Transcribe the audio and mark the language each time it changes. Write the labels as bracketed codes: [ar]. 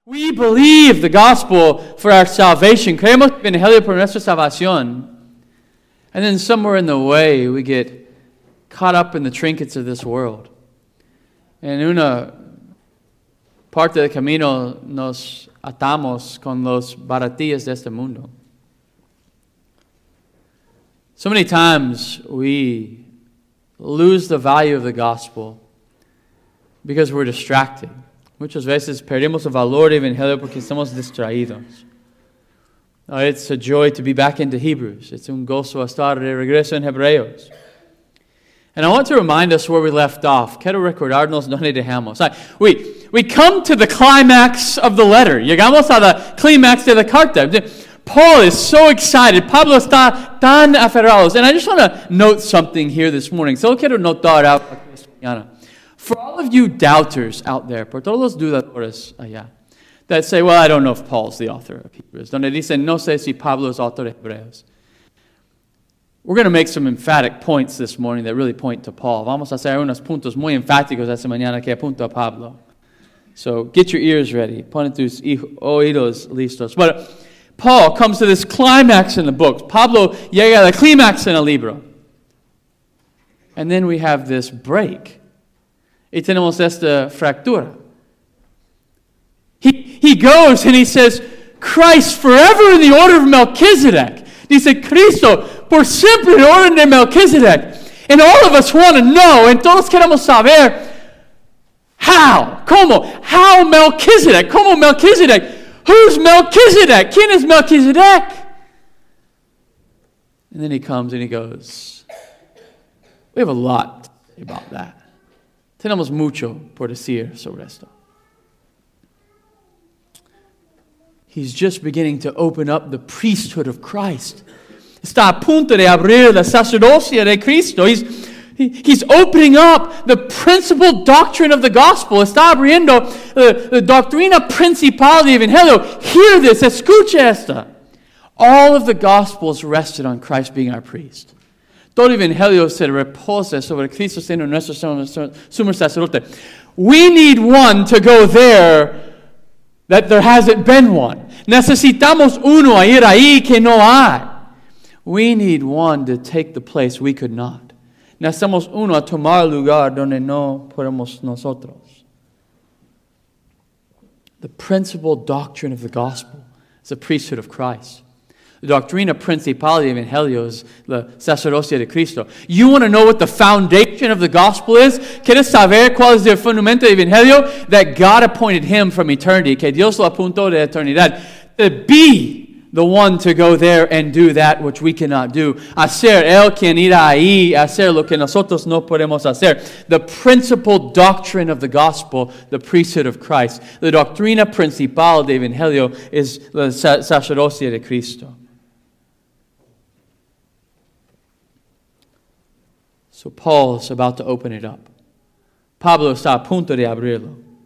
[en] We believe the gospel for our salvation. [es] Creemos el evangelio por nuestra salvación. [en] And then somewhere in the way, we get caught up in the trinkets of this world. [es] En una parte del camino, nos atamos con los baratillas de este mundo. [en] So many times, we lose the value of the gospel because we're distracted. [es] Muchas veces perdemos el valor del evangelio porque estamos distraídos. [en] It's a joy to be back into Hebrews. [es] It's un gozo estar de regreso en Hebreos. [en] And I want to remind us where we left off. [es] Quiero recordarnos donde dejamos. [en] We come to the climax of the letter. [es] Llegamos a la climax de la carta. [en] Paul is so excited. [es] Pablo está tan aferrado. [en] And I just want to note something here this morning. [es] Solo quiero notar algo. [en] For all of you doubters out there, [es] por todos los dudadores allá, [en] that say, well, I don't know if Paul's the author of Hebrews. [es] Donde dicen, no sé si Pablo es autor de Hebreos. [en] We're going to make some emphatic points this morning that really point to Paul. [es] Vamos a hacer unos puntos muy enfáticos esta mañana que apunta a Pablo. [en] So get your ears ready. [es] Pon tus oídos listos. [en] But Paul comes to this climax in the book. [es] Pablo llega a la climax en el libro. [en] And then we have this break. [es] Y tenemos esta fractura. [en] He goes and he says, Christ forever in the order of Melchizedek. [es] Dice, Cristo, por siempre en orden de Melchizedek. [en] And all of us want to know, and [es] todos queremos saber, [en] how? [es] ¿Cómo? [en] How Melchizedek? [es] ¿Cómo Melchizedek? [en] Who's Melchizedek? [es] ¿Quién es Melchizedek? [en] And then he comes and he goes, we have a lot to say about that. [es] Tenemos mucho por decir sobre esto. [en] He's just beginning to open up the priesthood of Christ. [es] Está a punto de abrir la sacerdocia de Cristo. [en] He's opening up the principal doctrine of the gospel. [es] Está abriendo la doctrina principal del evangelio. [en] Hear this. [es] Escucha esto. [en] All of the gospels rested on Christ being our priest. [es] Todo el evangelio se reposa sobre Cristo siendo nuestro sumo sacerdote. [en] We need one to go there that there hasn't been one. [es] Necesitamos uno a ir ahí que no hay. [en] We need one to take the place we could not. [es] Necesitamos uno a tomar el lugar donde no podemos nosotros. [en] The principal doctrine of the gospel is the priesthood of Christ. [es] The doctrina principal del evangelio is la sacerdocia de Cristo. [en] You want to know what the foundation of the gospel is? [es] ¿Quieres saber cuál es el fundamento del evangelio? [en] That God appointed him from eternity, [es] que Dios lo apuntó de eternidad, [en] to be the one to go there and do that which we cannot do. [es] Hacer él quien irá ahí, hacer lo que nosotros no podemos hacer. [en] The principal doctrine of the gospel, the priesthood of Christ. [es] The doctrina principal del evangelio is la sacerdocia de Cristo. [en] So Paul's about to open it up. [es] Pablo está a punto de abrirlo.